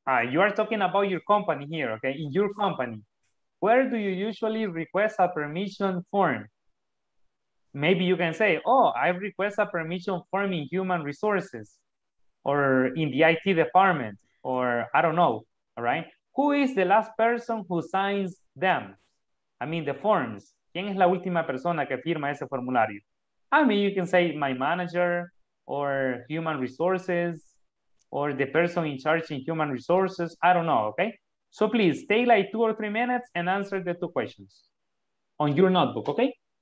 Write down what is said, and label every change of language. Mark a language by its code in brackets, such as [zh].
[en] You are talking about your company here, okay? In your company. Where do you usually request a permission form? Maybe you can say, oh, I request a permission form in human resources or in the IT department, or I don't know, all right? Who is the last person who signs them? I mean, the forms. [es] ¿Quién es la última persona que firma ese formulario? [en] I mean, you can say my manager or human resources or the person in charge in human resources. I don't know, okay? So please, stay like 2 or 3 minutes and answer the two questions on your notebook, okay?